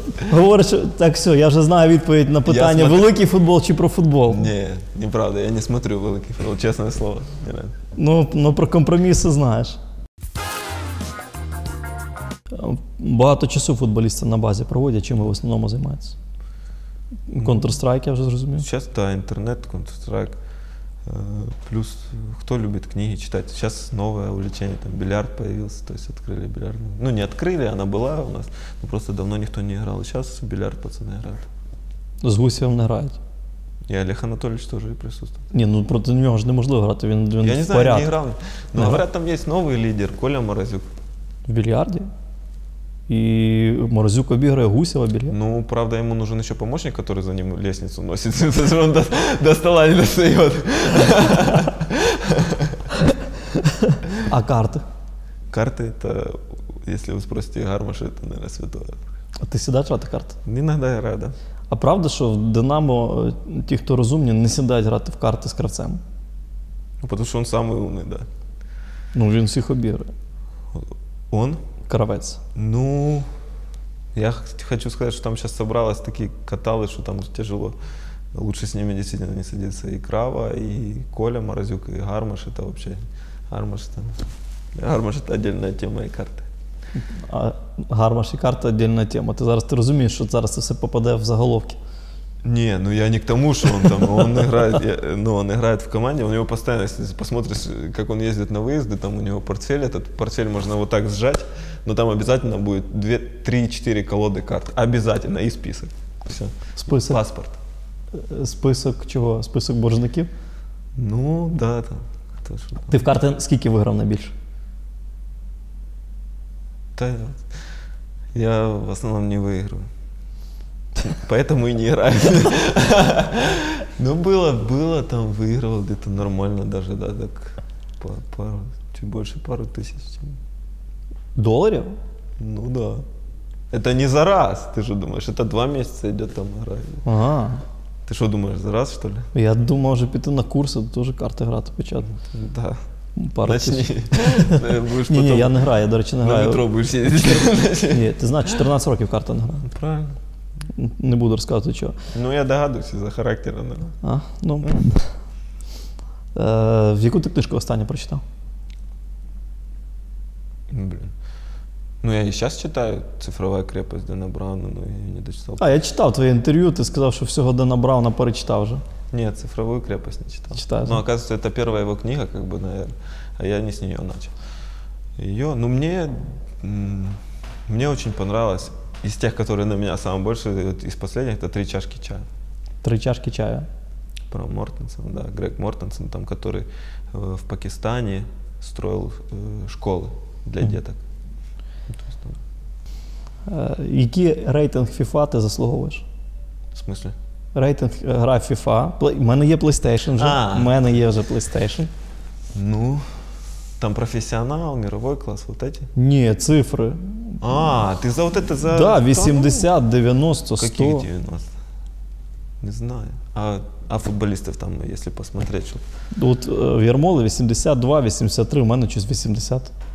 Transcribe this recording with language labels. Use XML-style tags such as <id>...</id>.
<uk>Говориш, так все, я вже знаю відповідь на питання, великий футбол чи про футбол. Ні, неправда, я не смотрю великий футбол, чесне слово. Ну про компроміси знаєш. Багато часу футболісти на базі проводять, чим ви в основному займаєтеся? Counter-Strike, я вже зрозумів. Зараз, так, інтернет, Counter-Strike. Плюс, хто любить книги читать?</uk> <ru>Сейчас новое увлечение, там бильярд появился, то есть открыли бильярд. Ну не открыли, она была у нас, но просто давно никто не играл. Сейчас бильярд пацаны играют. С Гусевым играют. И Олег Анатольевич тоже и присутствует. Не, ну просто на него же невозможно играть, он в порядке. Я не знаю, порядок. Не играл. Но говорят, там есть новый лидер, Коля Морозюк. В бильярде? И Морозюк обыгрывает Гусева бильярд? Ну, правда, ему нужен еще помощник, который за ним лестницу носит, если он до стола не достает. А карты? Карты — это, если вы спросите Гармаша, это, наверное, святое. А ты всегда играешь карты? Иногда играю, да. А правда, что в Динамо те, кто разумнее, не сядают играть в карты с Кравцем? Ну, потому что он самый умный, да. Ну, он всех обыгрывает. Он? Кравець.</ru> <uk>Ну, я хочу сказати, що там зараз зібралися такі катали, що там тяжело. Лучше з ними дійсно не сидіться. І Крава, і Коля Морозюк, і Гармаш.</uk> <ru>Это вообще...</ru> <uk>Гармаш — це віддільна тема і карти. А Гармаш і карти — віддільна тема. Ти зараз розумієш, що зараз це все попаде в заголовки?</uk> <ru>Ні, ну я не к тому, що он там, он играет, ну он играет в команде, у него постоянно, если посмотришь, как он ездит на выезды, там у него портфель, этот портфель можно вот так сжать, но там обязательно будет 2-3-4 колоды карт, обязательно, и список, все. Список? И паспорт. Список чего? Список боржників? Ну, да, там. Ты в карты скільки выиграл найбільше? Да, я в основном не выигрываю. Поэтому и не играю. Ну, было там, выигрывал где-то нормально даже, да, так, чуть больше пару тысяч. Долларов? Ну, да. Это не за раз, ты же думаешь, это два месяца идет там играть. Ага. Ты что думаешь, за раз, что ли? Я думал, уже пойти на курсы, тоже карты играть печатать. Да. Пару тысяч. Не, я не играю, я, до речи, не играю. На метро будешь сидеть. Не, ты знаешь, 14 лет карты не играю. Правильно.</ru> <uk>Не буду розказувати, чого. Ну, я догадуюся за характером. Да? А, ну. в яку ти книжку останнє прочитав? Блін. Ну, я і зараз читаю «Цифрова крепость» Дена Брауна, але я не дочитав. А, я читав твоє інтерв'ю, ти сказав, що всього Дена Брауна перечитав вже. Ні, «Цифрову крепость» не читав. Читаю. Ну, оказывается, це перша його книга, как бы, наверное, а я не з неї почав. Її, ну, мені дуже понравилось.</uk> <ru>Из тех, которые на меня самые больше, из последних, это «Три чашки чая». «Три чашки чая». Про Мортенсен, да. Грег Мортенсен, там, который в Пакистане строил школы для деток.</ru> <uk>Який рейтинг FIFA ты заслуговуешь?</uk> <ru>В смысле? Рейтинг гра FIFA. У меня есть PlayStation же. У меня есть уже PlayStation. Ну, там профессионал, мировой класс, вот эти? Не, цифры. А, ты за вот это за... Да, 80, 90, 100. Какие 90? Не знаю. А футболистов там, если посмотреть, что... Вот Вермолы 82, 83, у меня что-то 80.</ru>